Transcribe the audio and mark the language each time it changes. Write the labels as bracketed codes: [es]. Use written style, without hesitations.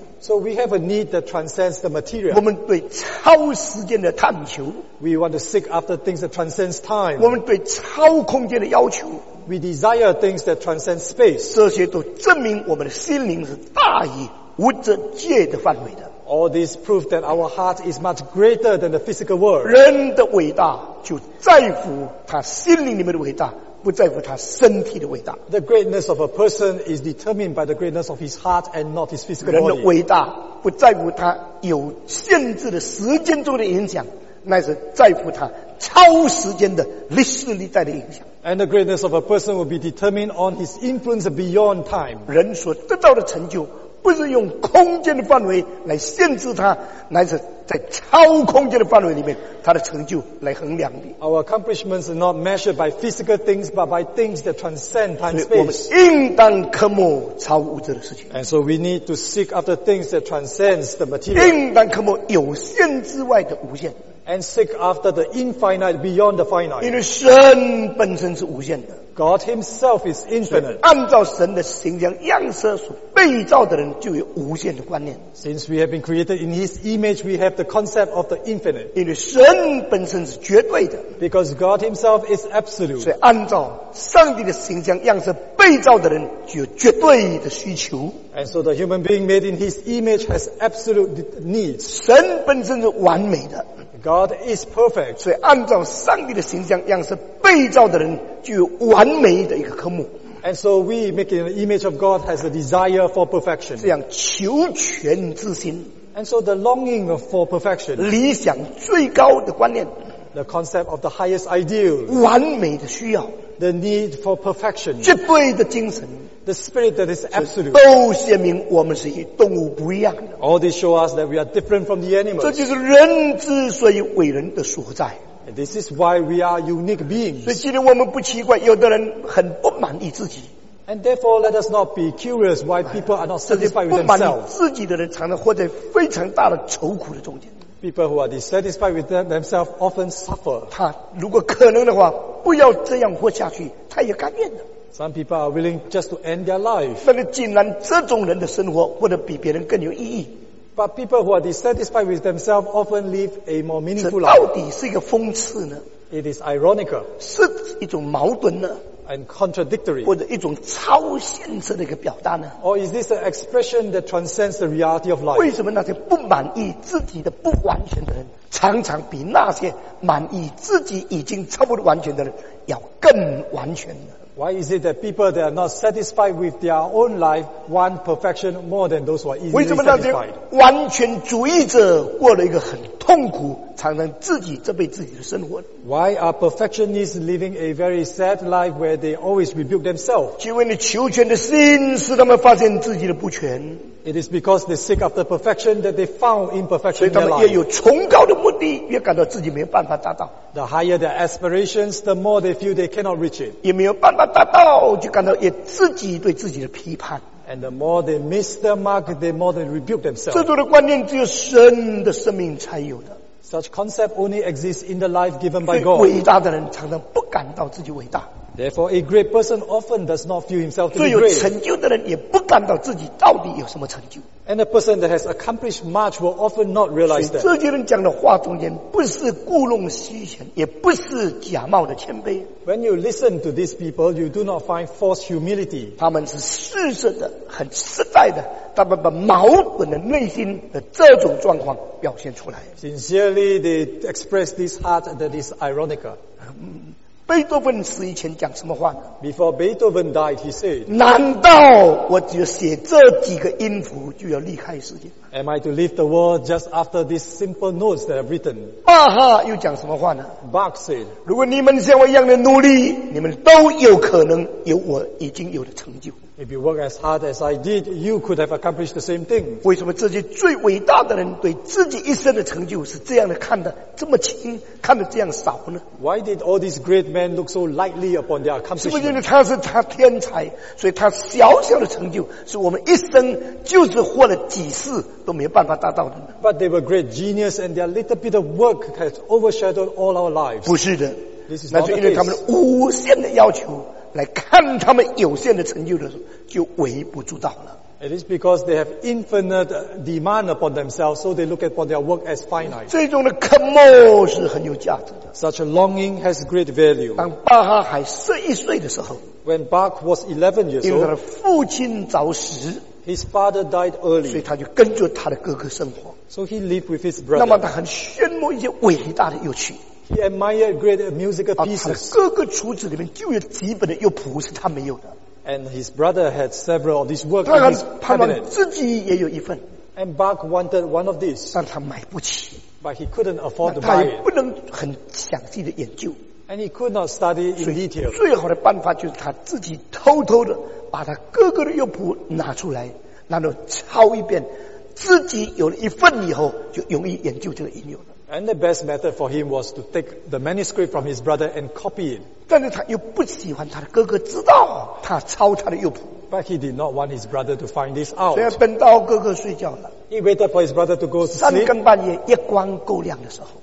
[en] So we have a need that transcends the material. [zh] 我们对超时间的探求， [en] We want to seek after things that transcends time. [zh] 我们对超空间的要求， [en] We desire things that transcend space. [zh] 这些都证明我们的心灵是大于物质界的范围的。 [en] All this proves that our heart is much greater than the physical world. [zh] 人的伟大就在乎他心灵里面的伟大，不在乎他身体的伟大。 [en] The greatness of a person is determined by the greatness of his heart and not his physical body. [zh] 人的伟大不在乎他有限制的时间中的影响，乃是在乎他超时间的历史历代的影响。 [en] And the greatness of a person will be determined on his influence beyond time. [zh] 人所得到的成就不是用空间的范围来限制他，乃是在超空间的范围里面他的成就来衡量的。 [en] Our accomplishments are not measured by physical things but by things that transcend time space. [zh] 所以我们应当渴慕超物质的事情。 [en] And so we need to seek after things that transcend the material. [zh] 应当渴慕有限之外的无限。 [en] And seek after the infinite beyond the finite. [zh] 因为神本身是无限的。 [en] God Himself is infinite. [zh] 按照神的形象样式所被造的人就有无限的观念。 [en] Since we have been created in His image, we have the concept of the infinite. [zh] 因为神本身是绝对的。 [en] Because God Himself is absolute. [zh] 所以按照上帝的形象样式被造的人有绝对的需求。 [en] And so the human being made in his image has absolute needs. [zh] 神本身是完美的。 [en] God is perfect. [zh] 所以按照上帝的形象样式被造的人具有完美的一个科目。 [en] And so we make an image of God has a desire for perfection. [zh] 这样求全之心。 [en] And so the longing for perfection. [zh] 理想最高的观念。 [en] The concept of the highest ideal. [zh] 完美的需要。 [en] The need for perfection. [zh] 绝对的精神。 [en] The spirit that is absolute. [zh] 都显明我们是与动物不一样的。 [en] All this show us that we are different from the animals. [zh] 这就是人之所以伟人的所在。 [en] And this is why we are unique beings. [zh] 所以今天我们不奇怪有的人很不满意自己。 [en] And therefore, let us not be curious why people are not satisfied with themselves. [zh] 不满意自己的人常常活在非常大的愁苦的中间。 [en] People who are dissatisfied with themselves often suffer. [zh] 他如果可能的话，不要这样活下去，他也甘愿的。 [en] Some people are willing just to end their life. [zh] 但是竟然这种人的生活活得比别人更有意义。 [en] But people who are dissatisfied with themselves often live a more meaningful life. [zh] 这到底是一个讽刺呢？ [en] It is ironical. [zh] 是一种矛盾呢？ [en] And contradictory. [zh] 或者一种超现实的一个表达呢？ [en] Or is this an expression that transcends the reality of life? [zh] 为什么那些不满意自己的不完全的人，常常比那些满意自己已经差不多完全的人要更完全呢？ [en] Why is it that people that are not satisfied with their own life want perfection more than those who are easily satisfied? [zh] 为什么那些完全主义者过了一个很痛苦，常常自己责备自己的生活？ [en] Why are perfectionists living a very sad life where they always rebuke themselves? [zh] 因为你求全的心使他们发现自己的不全。 [en] It is because they seek after perfection that they found imperfection in their life. [zh] 所以他们越有崇高的目的，越感到自己没有办法达到。 [en] The higher their aspirations, the more they feel they cannot reach it. [zh] 也没有办法达到，就感到也自己对自己的批判。 [en] And the more they miss their mark, the more they rebuke themselves. [zh] 这种的观念只有神的生命才有的。 [en] Such concept only exists in the life given by God. [zh] 所以伟大的人常常不感到自己伟大。 [en] Therefore, a great person often does not feel himself to be great. [zh] 最有成就的人也不感到自己到底有什么成就。 [en] And a person that has accomplished much will often not realize that. [zh] 这些人讲的话中间不是故弄虚玄，也不是假冒的谦卑。 [en] When you listen to these people, you do not find false humility. [zh] 他们是事实的，很实在的，他们把矛盾的内心的这种状况表现出来。 [en] Sincerely, they express this heart that is ironical. [zh] 贝多芬死以前讲什么话呢？ [en] Before Beethoven died, he said, [zh] 难道我只有写这几个音符就要离开世界？ [en] Am I to leave the world just after these simple notes that I've written? [zh] 巴哈又讲什么话呢？ [en] Bach said, [zh] 如果你们像我一样的努力，你们都有可能有我已经有的成就。 [en] If you work as hard as I did, you could have accomplished the same thing. [zh] 为什么这些最伟大的人对自己一生的成就是这样的看得这么轻，看得这样少呢？ [en] Why did all these great men look so lightly upon their accomplishments? [zh] 是不是因为他是他天才，所以他小小的成就是我们一生就是活了几世都没有办法达到的呢？ [en] But they were great genius and their little bit of work has overshadowed all our lives. [zh] 不是的， [en] this is [zh] 那是因为他们无限的要求来看他们有限的成就的时候，就微不足道了。 [en] It is because they have infinite demand upon themselves, so they look upon their work as finite. [zh] 这种的渴慕是很有价值的。 [en] Such a longing has great value. [zh] 当巴哈还11岁的时候 [en] ，When Bach was 11 years old， [zh] 因为他的父亲早逝 [en] ，His father died early， [zh] 所以他就跟着他的哥哥生活。 [en] So he lived with his brother. [zh] 那么他很羡慕一些伟大的乐曲。 [en] He admired great musical pieces. [zh] 他的各个厨子里面就有几本的乐谱是他没有的。 [en] And his brother had several of these works. [zh] 他很盼望自己也有一份。 [en] And Bach wanted one of these. [zh] 但他买不起。 [en] But he couldn't afford to buy it. [zh] 他也不能很详细的研究。 [en] And he could not study in detail. [zh] 最好的办法就是他自己偷偷的把他各个的乐谱拿出来，然后抄一遍，自己有了一份以后，就容易研究这个音乐。 [en] And the best method for him was to take the manuscript from his brother and copy it. [zh] 但是他又不喜欢他的哥哥知道他抄他的乐谱。 [en] But he did not want his brother to find this out. [zh] 所以等到哥哥睡觉了。 [en] He waited for his brother to go to sleep. [zh] 三更半夜月光够亮的时候。